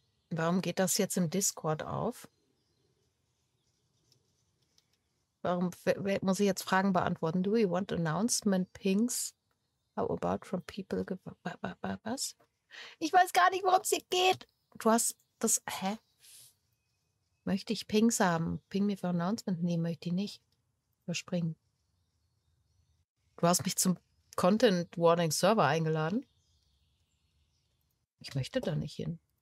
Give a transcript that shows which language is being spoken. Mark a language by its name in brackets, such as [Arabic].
[German] Warum geht das jetzt im Discord auf? Warum muss ich jetzt Fragen beantworten? [English] Do you want announcement pings? How about from people? [German] Was? Ich weiß gar nicht, worum es hier geht. Du hast das... Hä? Möchte ich Pings haben? Ping mir für Announcement? Nee, möchte ich nicht. Überspringen. Du hast mich zum Content Warning Server eingeladen? Ich möchte da nicht hin.